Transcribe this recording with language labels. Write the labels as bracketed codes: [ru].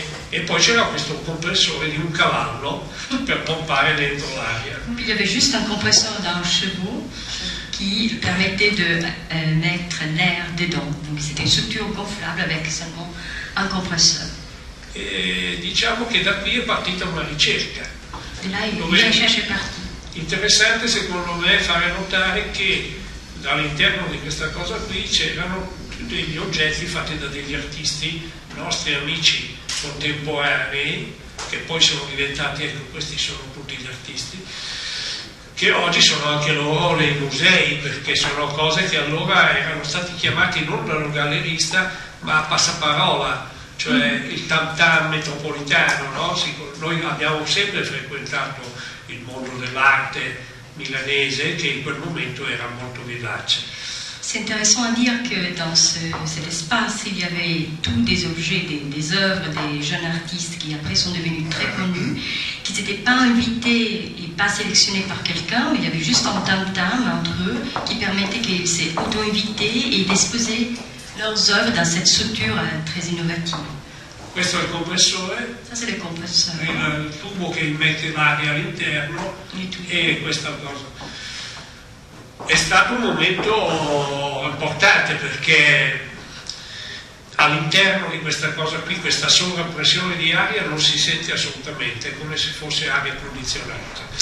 [fr] et [it] poi c'era questo compressore di un cavallo per pompare dentro l'aria. [fr] Il y avait juste un compresseur d'un chevaux qui permettait de mettre l'air dedans. Donc c'était une structure gonflable avec seulement un compresseur. Et [it] diciamo che da qui è partita una ricerca. [fr] De là, il cherche parti. [it] Interessante secondo me fare notare che dall'interno di questa cosa qui c'erano degli oggetti fatti da degli artisti, nostri amici contemporanei, che poi sono diventati, ecco, questi sono tutti gli artisti, che oggi sono anche loro nei musei, perché sono cose che allora erano stati chiamati non dal gallerista ma a passaparola, cioè il tam-tam metropolitano, no? Noi abbiamo sempre frequentato il mondo dell'arte milanese, che in quel momento era molto vivace. [fr] C'est intéressant à dire que dans cet espace, il y avait tous des objets, des œuvres des jeunes artistes qui après sont devenus très connus, qui n'étaient pas invités et pas sélectionnés par quelqu'un, il y avait juste un tam-tam entre eux qui permettait qu'ils s'est auto-invités et d'exposer leurs œuvres dans cette structure très innovative. [it] Questo è il compressore. [fr] Ça, c'est le compresseur. [it] Il tubo che immette l'aria all'interno e questa cosa. È stato un momento importante perché all'interno di questa cosa qui, questa sovrappressione di aria non si sente assolutamente, è come se fosse aria condizionata.